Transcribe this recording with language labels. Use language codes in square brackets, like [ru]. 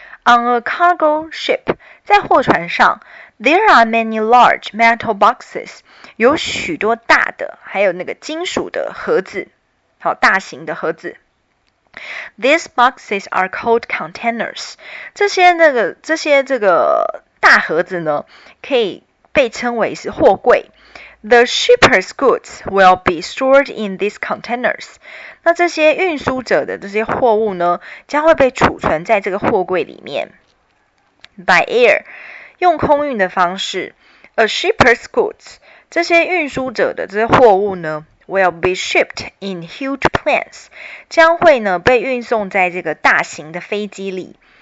[en] On a cargo ship， [zh] 在货船上。 [en] There are many large metal boxes. [zh] 有许多大的，还有那个金属的盒子，好，大型的盒子。 [en] These boxes are called containers. [zh] 这些大盒子呢，可以被称为是货柜。 [en] The shipper's goods will be stored in these containers. [zh] 那这些运输者的这些货物呢，将会被储存在这个货柜里面。 [en] By air. [zh] 用空运的方式 [en] A shipper's goods, [zh] 这些运输者的这些货物呢 [en] will be shipped in huge planes, [zh] 将会呢被运送在这个大型的飞机里。